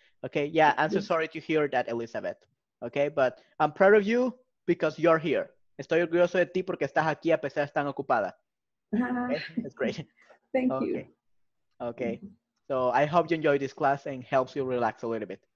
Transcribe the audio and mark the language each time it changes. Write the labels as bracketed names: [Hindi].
[English] Okay, yeah, I'm so sorry to hear that, Elizabeth. Okay, but I'm proud of you because you're here. [Spanish] Estoy orgulloso de ti porque estás aquí a pesar de estar ocupada. [English] Okay? That's great. Thank okay. you. Okay, so I hope you enjoy this class and helps you relax a little bit.